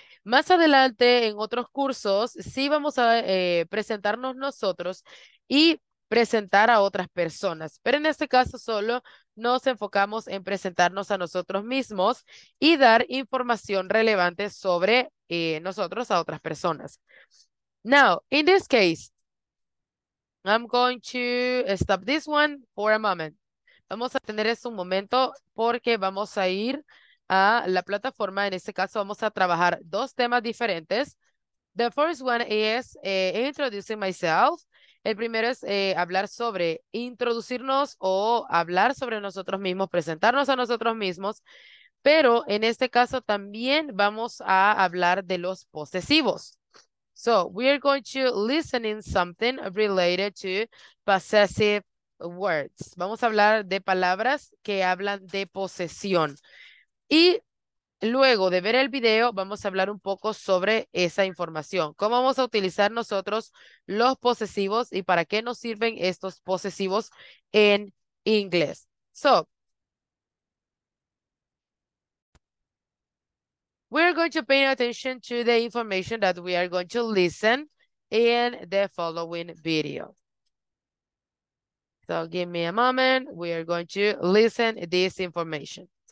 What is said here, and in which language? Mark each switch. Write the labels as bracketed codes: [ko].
[es] Más adelante, en otros cursos, sí vamos a presentarnos nosotros y presentar a otras personas. Pero en este caso, solo nos enfocamos en presentarnos a nosotros mismos y dar información relevante sobre nosotros a otras personas. [en] Now, in this case, I'm going to stop this one for a moment. [es] Vamos a tener esto un momento porque vamos a ir a la plataforma. En este caso, vamos a trabajar dos temas diferentes. [en] The first one is introducing myself. [es] El primero es hablar sobre introducirnos o hablar sobre nosotros mismos, presentarnos a nosotros mismos. Pero en este caso también vamos a hablar de los posesivos. [en] So, we are going to listen in something related to possessive words. [es] Vamos a hablar de palabras que hablan de posesión. Y luego de ver el video, vamos a hablar un poco sobre esa información. ¿Cómo vamos a utilizar nosotros los posesivos y para qué nos sirven estos posesivos en inglés? [en] So, we're going to pay attention to the information that we are going to listen in the following video. So give me a moment. We are going to listen to this information.